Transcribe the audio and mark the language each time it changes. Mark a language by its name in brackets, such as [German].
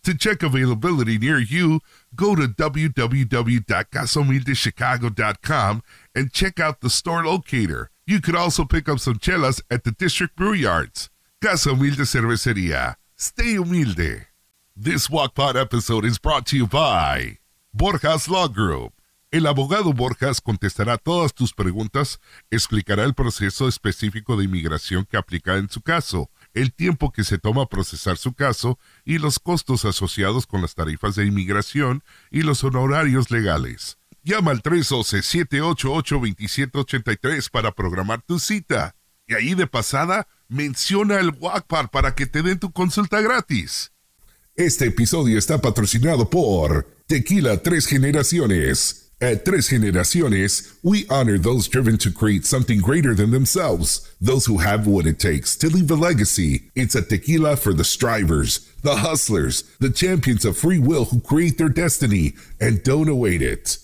[English] To check availability near you, go to www.casahumildechicago.com and check out the store locator. You could also pick up some chelas at the District Brew Yards. Casa Humilde Cerveceria. Stay humilde. This GuacPod episode is brought to you by Borjas Law Group. [Spanish] El abogado Borjas contestará todas tus preguntas, explicará el proceso específico de inmigración que aplica en su caso, el tiempo que se toma procesar su caso y los costos asociados con las tarifas de inmigración y los honorarios legales. Llama al 312-788-2783 para programar tu cita. Y ahí de pasada, menciona el GuacPod para que te den tu consulta gratis. Este episodio está patrocinado por Tequila Tres Generaciones. [English] At Tres Generaciones, we honor those driven to create something greater than themselves, those who have what it takes to leave a legacy. It's a tequila for the strivers, the hustlers, the champions of free will who create their destiny and don't await it.